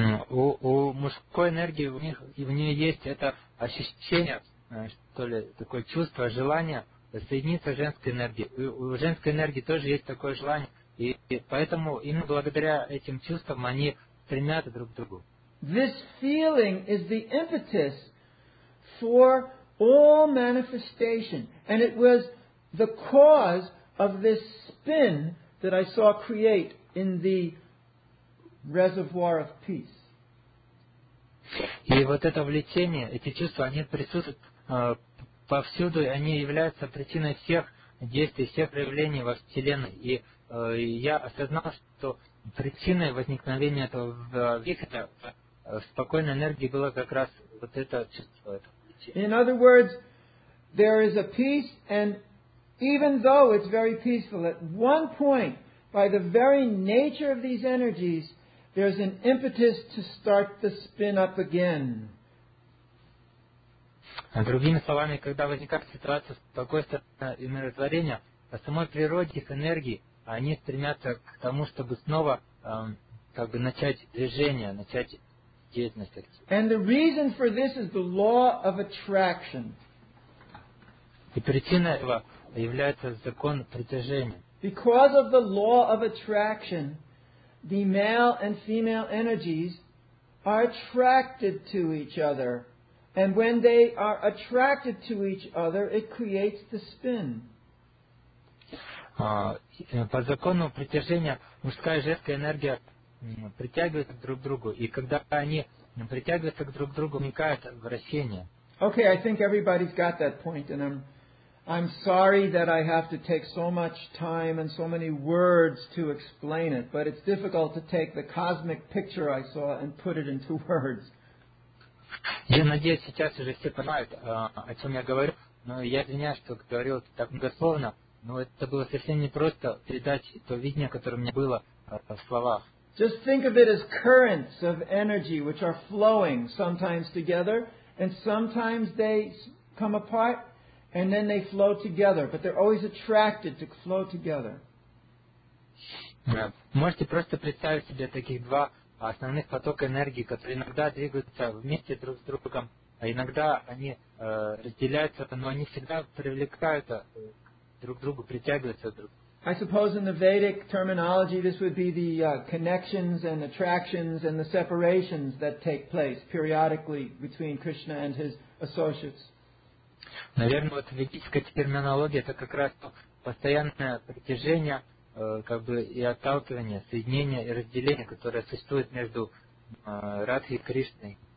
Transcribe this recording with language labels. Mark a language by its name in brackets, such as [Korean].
[Russian] У мужской энергии у нее есть это ощущение, что ли, такое чувство, желание соединиться с женской энергией. У женской энергии тоже есть такое желание. И поэтому именно благодаря этим чувствам они стремятся друг к другу. [English] This feeling is the impetus for all manifestation. And it was the cause of this spin that I saw create in the reservoir of peace. [Russian] И вот это влечение, эти чувства, они присутствуют повсюду, и они являются причиной всех действий, всех проявлений во Вселенной. И я осознал, что причиной возникновения этого вихря в спокойной энергии было как раз вот это чувство. [English] In other words, there is a peace, and even though it's very peaceful, at one point, by the very nature of these energies, there's an impetus to start the spin up again. [Russian] Другими словами, когда возникает ситуация спокойствия и умиротворения, по самой природе их энергии, они стремятся к тому, чтобы снова как бы начать движение, начать деятельность. [English] And the reason for this is the law of attraction. [Russian] И причина этого является закон притяжения. [English] Because of the law of attraction, the male and female energies are attracted to each other. And when they are attracted to each other, it creates the spin. [Russian] По закону притяжения мужская и женская энергия притягиваются друг к другу. И когда они притягиваются друг к другу, возникает вращение. [English] Okay, I think everybody's got that point, and I'm sorry that I have to take so much time and so many words to explain it, but it's difficult to take the cosmic picture I saw and put it into words. [Russian] Я надеюсь, сейчас уже все понимают, о чем я говорю, но я извиняюсь, что говорил так многословно, но это было совсем непросто передать то видение, которое у меня было в словах. [English] Just think of it as currents of energy which are flowing sometimes together and sometimes they come apart. And then they flow together, but they're always attracted to flow together. [Russian] Можете просто представить себе таких два основных потока энергии, которые иногда двигаются вместе друг с другом, а иногда они разделяются, но они всегда привлекаются друг к другу, притягиваются друг к другу. [English] I suppose in the Vedic terminology this would be the connections and attractions and the separations that take place periodically between Krishna and his associates. [Russian] Наверное, вот ведическая терминология это как раз постоянное притяжение, как бы и отталкивание, соединение и разделение, которое существует между Радхой и Кришной.